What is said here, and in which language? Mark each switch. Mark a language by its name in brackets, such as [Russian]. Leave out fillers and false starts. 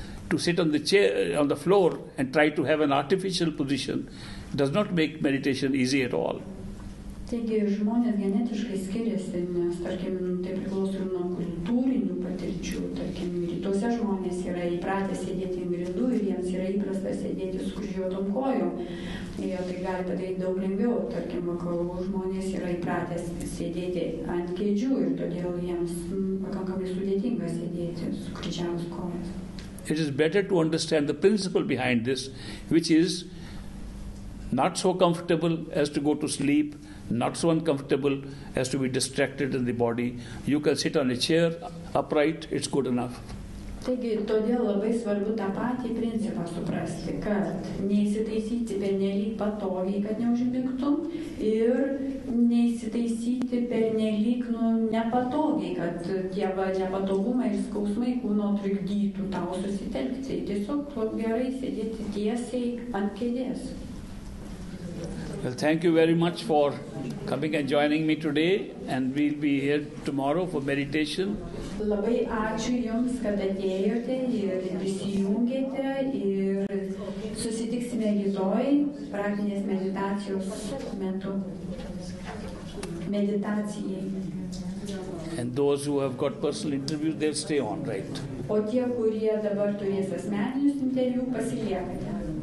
[English] To sit on the chair, on the floor and try to have an artificial position does not make meditation easy at all. [Lithuanian] Taigi žmonės genetiškai skiriasi, nes, tarkim, tai priklauso nuo kultūrinių patirčių, tarkim, rytuose žmonės yra įpratę sėdėti ant grindų ir jiems yra įprasta sėdėti su kryžiuo juodom kojom. Jo tai gali padaryti daug lengviau. Tarkim, vakarų žmonės yra įpratęs sėdėti ant kėdžių ir todėl jiems pakankamai sudėtinga sėdėti su kryžiavus kojomis. [English] It is better to understand the principle behind this, which is not so comfortable as to go to sleep, not so uncomfortable as to be distracted in the body. You can sit on a chair upright, it's good enough. [Lithuanian] Taigi, todėl labai svarbu tą patį principą suprasti, kad neįsitaisyti pernelyg patogiai, kad neužmigtum, ir neįsitaisyti pernelyg nepatogiai, kad tie nepatogumai ir skausmai kūno trikdytų tau susitelkti. Tiesiog gerai sėdėti tiesiai ant kėdės. [English] Well, thank you very much for coming and joining me today, and we'll be here tomorrow for meditation. [Lithuanian] Labai ačiū jums, kad atėjote ir prisijungėte ir susitiksime rytoj praktinės meditacijos metu. Meditacijai. [English] And those who have got personal interviews, they'll stay on, right? [Lithuanian] O tie, kurie dabar turės asmeninius interviu, pasiliekate.